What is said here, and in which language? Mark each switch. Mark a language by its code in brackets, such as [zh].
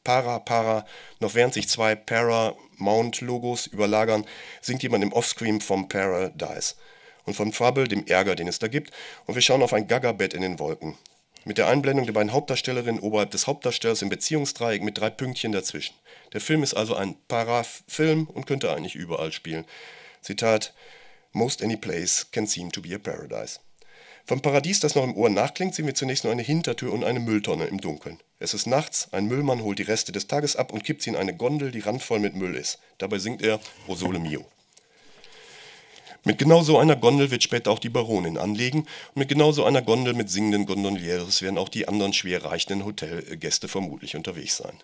[de] Para, para, noch während sich zwei Para-Mount-Logos überlagern, singt jemand im Offscreen vom Paradise und von Trouble, dem Ärger, den es da gibt, und wir schauen auf ein Gaga-Bett in den Wolken. Mit der Einblendung der beiden Hauptdarstellerinnen oberhalb des Hauptdarstellers im Beziehungsdreieck mit 3 Pünktchen dazwischen. Der Film ist also ein Para-Film und könnte eigentlich überall spielen. [en] Zitat, most any place can seem to be a paradise. [de] Vom Paradies, das noch im Ohr nachklingt, sehen wir zunächst nur eine Hintertür und eine Mülltonne im Dunkeln. Es ist nachts, ein Müllmann holt die Reste des Tages ab und kippt sie in eine Gondel, die randvoll mit Müll ist. Dabei singt er O Sole Mio. Mit genau so einer Gondel wird später auch die Baronin anlegen und mit genau so einer Gondel mit singenden Gondolieres werden auch die anderen schwer reichenden Hotelgäste vermutlich unterwegs sein.